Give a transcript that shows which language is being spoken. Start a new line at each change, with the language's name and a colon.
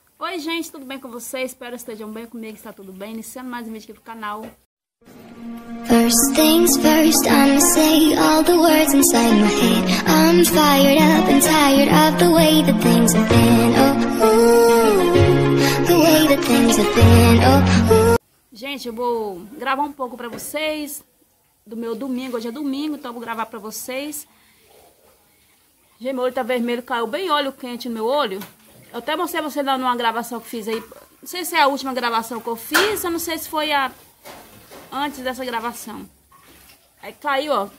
Portuguese: Oi, gente, tudo bem com vocês? Espero que estejam bem comigo, está tudo bem. Iniciando mais um vídeo aqui pro canal.
English: First things first, I'ma say all the words inside my head. I'm fired up and tired of the way that things have been. Oh, ooh, the way that things have been. Oh, ooh.
Portuguese: Gente, eu vou gravar um pouco pra vocês do meu domingo. Hoje é domingo, então eu vou gravar pra vocês. Gente, meu olho tá vermelho, caiu bem óleo quente no meu olho. Eu até mostrei você numa gravação que fiz aí. Não sei se é a última gravação que eu fiz, eu não sei se foi a antes dessa gravação. Aí caiu, ó.